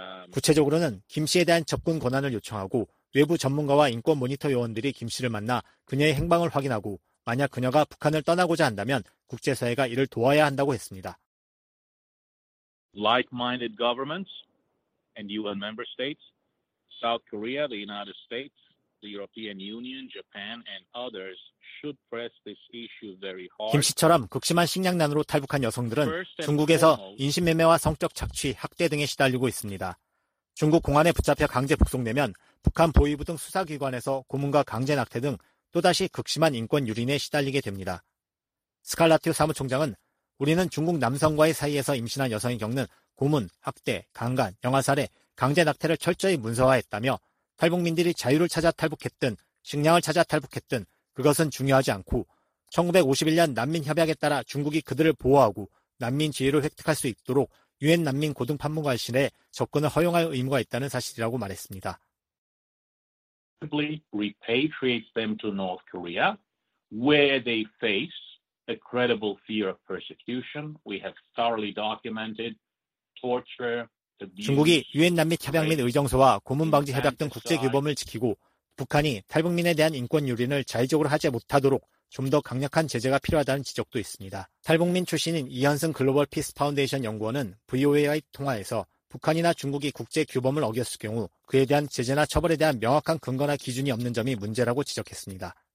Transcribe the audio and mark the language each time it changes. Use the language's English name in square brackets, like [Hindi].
[Korean] 구체적으로는 김 씨에 대한 접근 권한을 요청하고 외부 전문가와 인권 모니터 요원들이 김 씨를 만나 그녀의 행방을 확인하고 만약 그녀가 북한을 떠나고자 한다면 국제사회가 이를 도와야 한다고 했습니다. [English] Like-minded governments and UN member states, South Korea, the United States, the European Union, Japan, and others should press this issue very hard. [Korean] 김 씨처럼 극심한 식량난으로 탈북한 여성들은 중국에서 인신매매와 성적 착취, 학대 등에 시달리고 있습니다. 중국 공안에 붙잡혀 강제 북송되면 북한 보위부 등 수사기관에서 고문과 강제 낙태 등 또다시 극심한 인권 유린에 시달리게 됩니다. 스칼라티오 사무총장은 우리는 중국 남성과의 사이에서 임신한 여성이 겪는 고문, 학대, 강간, 영아살해, 강제 낙태를 철저히 문서화했다며 탈북민들이 자유를 찾아 탈북했든 식량을 찾아 탈북했든 그것은 중요하지 않고 1951년 난민협약에 따라 중국이 그들을 보호하고 난민 지위를 획득할 수 있도록 유엔 난민 고등 판문관실에 접근을 허용할 의무가 있다는 사실이라고 말했습니다. [English] Repatriates them to North Korea where they face a credible fear of persecution. We have thoroughly documented torture. [Korean] 중국이 유엔 난민협약 및 의정서와 고문방지협약 등 국제규범을 지키고 북한이 탈북민에 대한 인권유린을 자의적으로 하지 못하도록 좀 더 강력한 제재가 필요하다는 지적도 있습니다. 탈북민 출신인 이현승 글로벌 피스 파운데이션 연구원은 VOA와의 통화에서 북한이나 중국이 국제규범을 어겼을 경우 그에 대한 제재나 처벌에 대한 명확한 근거나 기준이 없는 점이 문제라고 지적했습니다.